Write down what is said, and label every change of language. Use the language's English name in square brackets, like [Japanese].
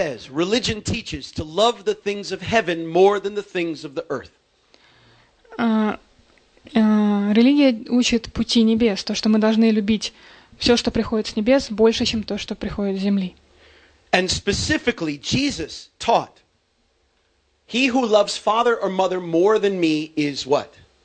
[English] Religion teaches to love the things of heaven more than the things of the earth. [Russian] Религия учит пути небес, то, что мы должны любить все, что приходит с небес, больше, чем то, что приходит с земли. [English] And specifically, Jesus taught, he who loves father or mother more than me is what?